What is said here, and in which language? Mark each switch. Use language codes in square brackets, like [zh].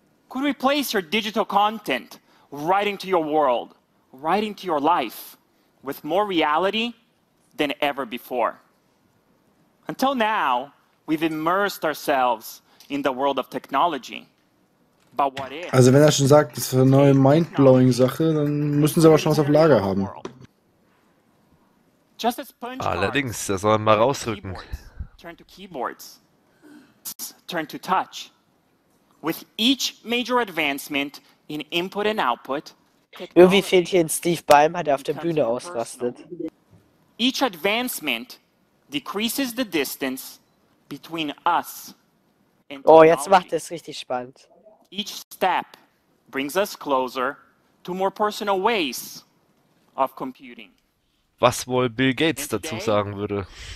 [en] Could we place your digital content right into your world, right into your life, with more reality than ever before? Until now, we've immersed ourselves in the world of technology. But what if? [de] Also wenn er schon sagt, das ist eine neue mind-blowing Sache, dann müssen sie aber schon was auf Lager haben. Allerdings, das soll man mal rausrücken. [en] Turn to keyboards. Turn to touch. With each major advancement in input and output. [de] Irgendwie fehlt hier ein Steve Ballmer, der auf der Bühne ausrastet. [en] Each advancement decreases the distance between us and [de] technology. Oh, jetzt macht es richtig spannend. [en] Each step brings us closer to more personal ways of computing. [de] Was wohl Bill Gates dazu sagen würde.